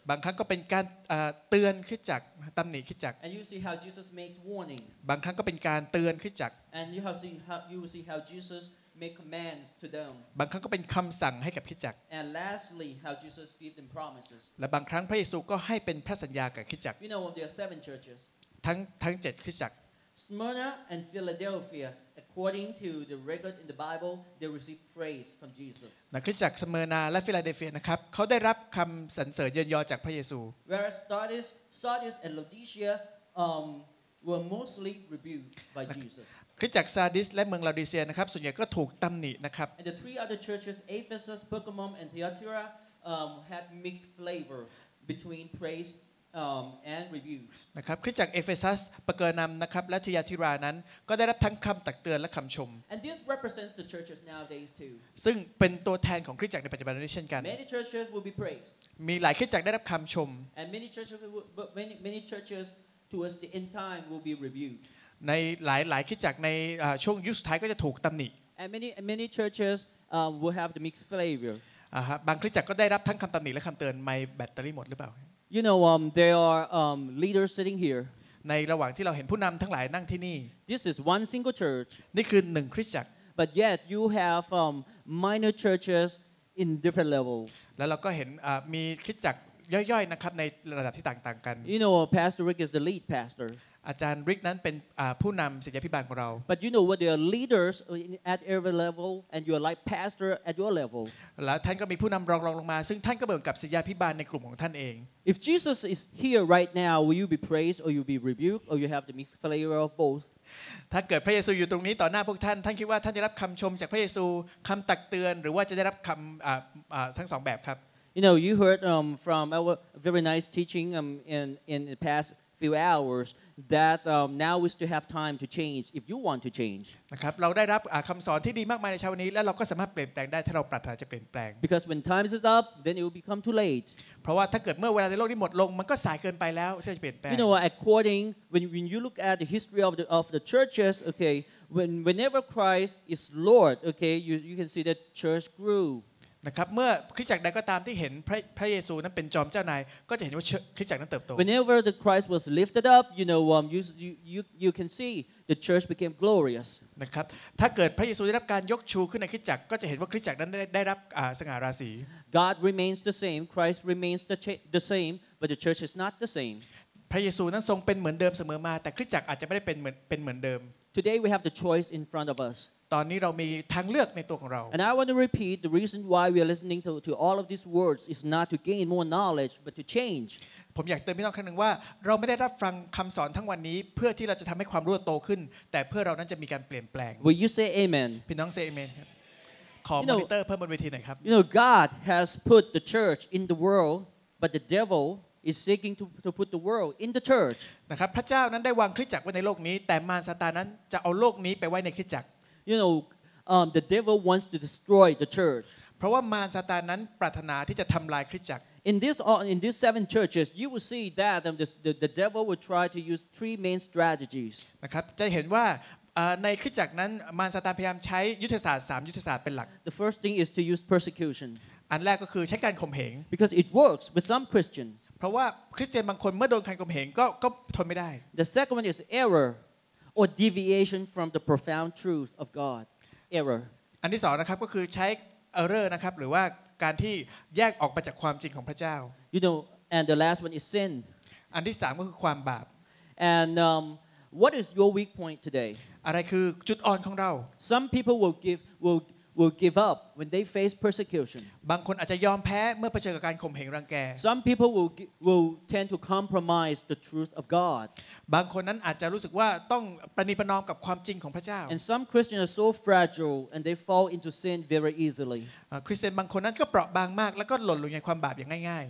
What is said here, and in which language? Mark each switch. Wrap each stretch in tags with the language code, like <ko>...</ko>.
<th>บางครั้งก็เป็นการเตือนคริสตจักรตำหนิคริสตจักร</th> <en>And you see how Jesus makes warning.</en> <th>บางครั้งก็เป็นการเตือนคริสตจักร</th> <en>And you have seen how you see how Jesus make commands to them.</en> <th>บางครั้งก็เป็นคำสั่งให้กับคริสตจักร</th> <en>And lastly, how Jesus gives them promises.</en> <th>และบางครั้งพระเยซูก็ให้เป็นพระสัญญากับคริสตจักร</th> <en>You know there are seven churches.</en> <th>ทั้ง7คริสตจักร</th> <en>Smyrna and Philadelphia. According to the record in the Bible, they received praise from Jesus.</en> <th>นะคริสตจักรสเมอร์นาและฟิลาเดลเฟียนะครับเขาได้รับคำสรรเสริญเยินยอจากพระเยซู</th> <en>Whereas Sardis and Laodicea were mostly rebuked by Jesus.</en> <th>คริสตจักรซาดิสและเมืองลาโดิเซียนะครับส่วนใหญ่ก็ถูกตำหนินะครับ</th> <en>And the three other churches, Ephesus, Pergamum, and Thyatira, had mixed flavor between praise. And reviews.</en> <th>นะครับคริสตจักรเอเฟซัสปะเกอร์นัมนะครับและทิยาทิรานั้นก็ได้รับทั้งคำตักเตือนและคำชม</th> <en>And this represents the churches nowadays too.</en> <th>ซึ่งเป็นตัวแทนของคริสตจักรในปัจจุบันด้วยเช่นกัน</th> <en>Many churches will be praised.</en> <th>มีหลายคริสตจักรได้รับคำชม</th> <en>And many churches towards the end time will be reviewed.</en> <th>ในหลายคริสตจักรในช่วงยุคสุดท้ายก็จะถูกตำหนิ</th> <en>And many churches will have the mixed flavor.</en> <th>บางคริสตจักรก็ได้รับทั้งคำตำหนิและคำเตือนไม่แบตเตอรี่หมดหรือเปล่า</th> <en>You know, there are leaders sitting here.</en> <th>ในระหว่างที่เราเห็นผู้นำทั้งหลายนั่งที่นี่</th> <en>This is one single church.</en> <th>นี่คือหนึ่งคริสตจักร</th> <en>But yet you have minor churches in different levels.</en> <th>แล้วเราก็เห็นมีคริสตจักรย่อยๆนะครับในระดับที่ต่างๆกัน</th> <en>You know, Pastor Rick is the lead pastor.</en> <th>อาจารย์ริกนั้นเป็นผู้นำศิษยาภิบาลของเรา</th> <en>But you know, what there are leaders at every level, and you are like pastor at your level.</en> <th>แล้วท่านก็มีผู้นำรองลงมาซึ่งท่านก็เหมือนกับศิษยาภิบาลในกลุ่มของท่านเอง</th> <en>If Jesus is here right now, will you be praised or you be rebuked or you have the mixed flavor of both?</en> <th>ถ้าเกิดพระเยซูอยู่ตรงนี้ต่อหน้าพวกท่านท่านคิดว่าท่านจะรับคำชมจากพระเยซูคำตักเตือนหรือว่าจะได้รับคำทั้งสองแบบครับ</th> <en>You know, you heard from our very nice teaching in the past few hours that now we still have time to change if you want to change.</en> <th>นะครับเราได้รับคำสอนที่ดีมากมายในเช้าวันนี้และเราก็สามารถเปลี่ยนแปลงได้ถ้าเราปรารถนาจะเปลี่ยนแปลง</th> <en>Because when time is up, then it will become too late.</en> <th>เพราะว่าถ้าเกิดเมื่อเวลาในโลกนี้หมดลงมันก็สายเกินไปแล้วใช่จะเปลี่ยนแปลง</th> <en>You know according when you look at the history of the churches okay whenever Christ is Lord okay you can see that church grew</en> <th>นะครับเมื่อคริสตจักรใดก็ตามที่เห็นพระเยซูนั้นเป็นจอมเจ้านายก็จะเห็นว่าคริสตจักรนั้นเติบโต</th> <en>Whenever the Christ was lifted up you know you can see the church became glorious</en> <th>นะครับถ้าเกิดพระเยซูได้รับการยกชูขึ้นในคริสตจักรก็จะเห็นว่าคริสตจักรนั้นได้รับสง่าราศี</th> <en>God remains the same, Christ remains the same, but the church is not the same.</en> <th>พระเยซูนั้นทรงเป็นเหมือนเดิมเสมอมาแต่คริสตจักรอาจจะไม่ได้เป็นเหมือนเดิม</th> <en>Today we have the choice in front of us.</en> <th>ตอนนี้เรามีทางเลือกในตัวของเรา</th> <en>And I want to repeat the reason why we are listening to all of these words is not to gain more knowledge, but to change.</en> <th>ผมอยากเตือนพี่น้องครั้งนึงว่าเราไม่ได้รับฟังคำสอนทั้งวันนี้เพื่อที่เราจะทำให้ความรู้โตขึ้นแต่เพื่อเรานั้นจะมีการเปลี่ยนแปลง</th> <en>Will you say Amen?</en> <th>พี่น้อง</th> <en>say Amen.</en> <th>ขอมอนิเตอร์เพิ่มบนเวทีหน่อยครับ</th> <en>You know God has put the church in the world but the devil is seeking to put the world in the church</en> <th>นะครับพระเจ้านั้นได้วางคริสตจักรไว้ในโลกนี้แต่มารซาตานั้นจะเอาโลกนี้ไปไว้ในคริสตจักร</th> <en>You know the devil wants to destroy the church</en> <th>เพราะว่ามารซาตานั้นปรารถนาที่จะทำลายคริสตจักร</th> <en>In these seven churches you will see that the devil will try to use three main strategies</en> <th>นะครับจะเห็นว่าในคริสตจักรนั้นมารซาตานพยายามใช้ยุทธศาสตร์3ยุทธศาสตร์เป็นหลัก</th> <en>The first thing is to use persecution</en> <th>อันแรกก็คือใช้การข่มเหง</th> <en>Because it works with some Christians</en> <th>เพราะว่าคริสเตียนบางคนเมื่อโดนใครข่มเหงก็ทนไม่ได้</th> <en>The second one is error or deviation from the profound truth of God. Error.</en> <th>อันที่สองนะครับก็คือใช้ error นะครับหรือว่าการที่แยกออกมาจากความจริงของพระเจ้า</th> <en>You know, and the last one is sin.</en> <th>อันที่สามก็คือความบาป</th> <en>And what is your weak point today?</en> <th>อะไรคือจุดอ่อนของเรา</th> <en>Some people will give up when they face persecution.</en> <th>บางคนอาจจะยอมแพ้เมื่อเผชิญกับการข่มเหงรังแก</th> <en>Some people will tend to compromise the truth of God.</en> <th>บางคนนั้นอาจจะรู้สึกว่าต้องประนีประนอมกับความจริงของพระเจ้า</th> <en>And some Christians are so fragile and they fall into sin very easily.</en> <th>คริสเตียนบางคนนั้นก็เปราะบางมากแล้วก็หล่นลงในความบาปอย่างง่าย</th>